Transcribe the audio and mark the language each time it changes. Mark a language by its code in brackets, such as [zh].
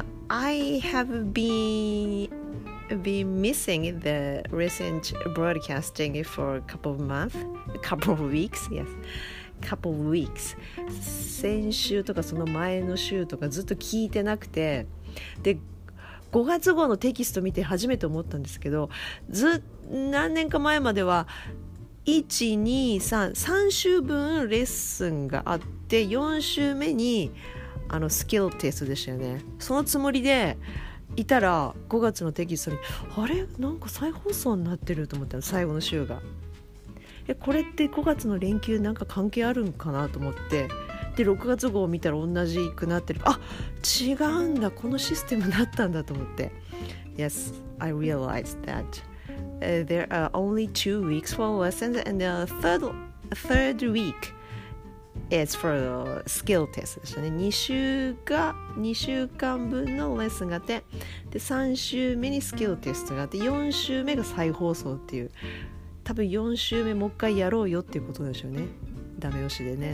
[en] I have been missing the recent broadcasting for a couple of weeks. [ja] 先週とかその前の週とかずっと聞いてなくて、で5月号のテキスト見て初めて思ったんですけど、ず何年か前までは 1,2,3 週分レッスンがあって、4週目にスキルテストでしたよね。そのつもりでいたら5月のテキストに、あれなんか再放送になってると思ったの、最後の週が。これって5月の連休なんか関係あるんかなと思って、で6月号を見たら同じくなってる、あ違うんだ、このシステムだったんだと思って。 [en] Yes, I realized that there are only 2 weeks for lessons and the third week is for skill test [ja] ですね。 2週間分のレッスンがあって、で3週目にスキルテストがあって、4週目が再放送っていう、多分4週目もう一回やろうよっていうことですよね、ダメ押しでね。